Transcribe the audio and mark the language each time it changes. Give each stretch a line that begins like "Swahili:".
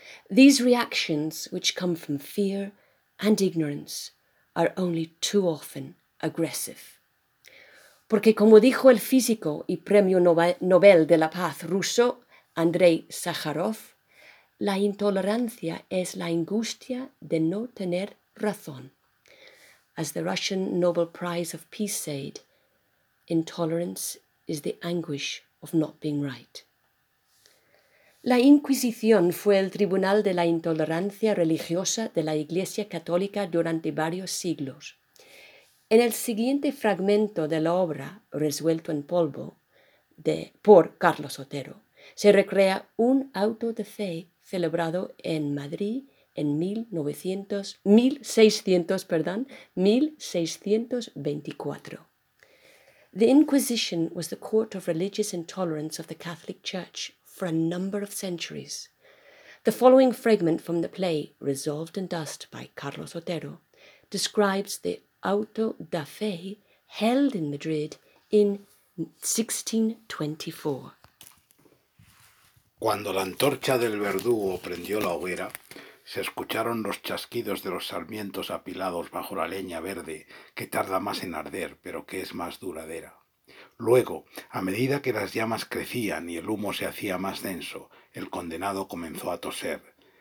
English: These reactions, which come from fear and ignorance, are only too often aggressive.
Spanish: Porque como dijo el físico y premio Nobel de la Paz ruso, Andrei Sájarov, la intolerancia es la angustia de no tener razón.
English: As the Russian Nobel Prize of Peace said, intolerance is the anguish of not being right.
Spanish: La Inquisición fue el tribunal de la intolerancia religiosa de la Iglesia Católica durante varios siglos. En el siguiente fragmento de la obra Resuelto en Polvo, por Carlos Otero, se recrea un auto de fe celebrado en Madrid en 1624.
English: The Inquisition was the court of religious intolerance of the Catholic Church for a number of centuries. The following fragment from the play Resolved in Dust by Carlos Otero describes the auto da fe held in Madrid in 1624.
Spanish: Cuando la antorcha del verdugo prendió la hoguera, se escucharon los chasquidos de los sarmientos apilados bajo la leña verde que tarda más en arder, pero que es más duradera. Luego, a medida que las llamas crecían y el humo se hacía más denso, el condenado comenzó a toser.